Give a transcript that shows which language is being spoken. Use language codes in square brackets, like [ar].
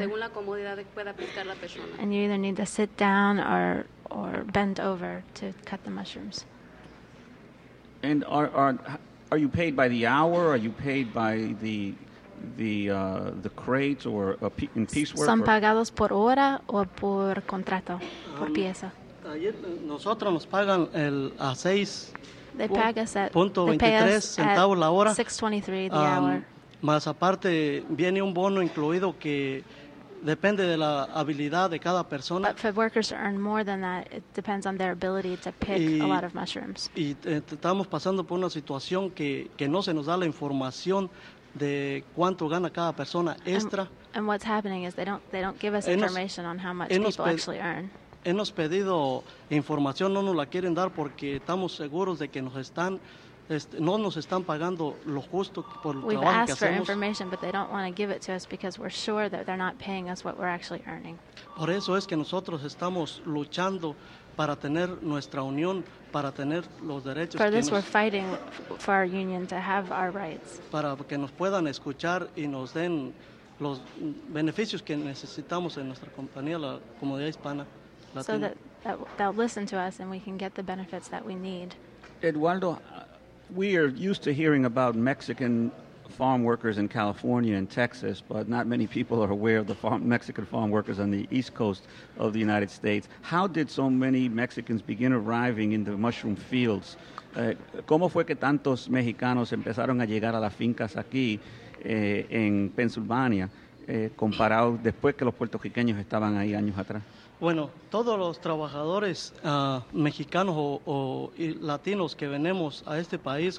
[es] Según la comodidad pueda piscar la persona. [en] And you either need to sit down or bend over to cut the mushrooms. And are you paid by the hour? Are you paid by the crate or in piecework? [es] Son pagados por hora o por contrato, por pieza. Ayer nosotros nos pagan el a seis. [en] They pay us at [es] 6.23 centavos la hora. [en] 6.23 the hour. [es] Más aparte, viene un bono incluido que depende de la habilidad de cada persona. [en] But for workers to earn more than that, it depends on their ability to pick a lot of mushrooms. [es] Y estamos pasando por una situación que no se nos da la información de cuánto gana cada persona extra. [en] And what's happening is they don't give us information on how much people actually earn. [es] Hemos pedido información, no nos la quieren dar porque estamos seguros de que nos están no nos están pagando lo justo por el trabajo que hacemos. [en] We've asked for information, but they don't want to give it to us because we're sure that they're not paying us what we're actually earning. [es] Por eso es que nosotros estamos luchando para tener nuestra unión, para tener los derechos. [en] For this, we're fighting for our union to have our rights. [es] Para que nos puedan escuchar y nos den los beneficios que necesitamos en nuestra compañía, la comunidad hispana. [en] So that they'll listen to us and we can get the benefits that we need. Eduardo, we are used to hearing about Mexican farm workers in California and Texas, but not many people are aware of the Mexican farm workers on the East Coast of the United States. How did so many Mexicans begin arriving in the mushroom fields? [es] ¿Cómo fue que tantos mexicanos empezaron a llegar a las fincas aquí en Pennsylvania comparado después que los puertorriqueños estaban ahí años atrás? Bueno, todos los trabajadores mexicanos o latinos que venimos a este país